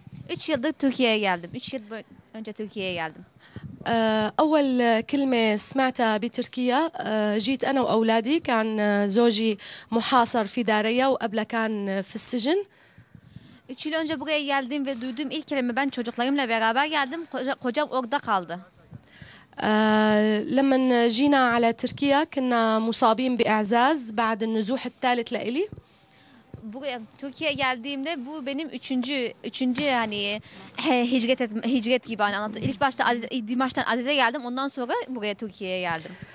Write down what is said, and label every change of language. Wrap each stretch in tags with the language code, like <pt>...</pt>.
<tr>3 yıldır Türkiye'ye geldim. 3 yıl önce Türkiye'ye geldim.</tr> <ar>أول كلمة سمعتها بتركيا جيت أنا وأولادي كان زوجي محاصر في دارية وقبله كان في السجن.</ar> <tr>3 yıl önce buraya geldim ve duyduğum ilk kelime ben çocuklarımla beraber geldim. Kocam orada kaldı.</tr> <ar>لما جينا على تركيا كنا مصابين بإعزاز بعد النزوح الثالث لإلي.</ar> <tr>Buraya Türkiye geldiğimde bu benim üçüncü yani hicret gibi hani anlattım. İlk başta Dimaş'tan Aziz'e geldim. Ondan sonra buraya Türkiye'ye geldim.</tr>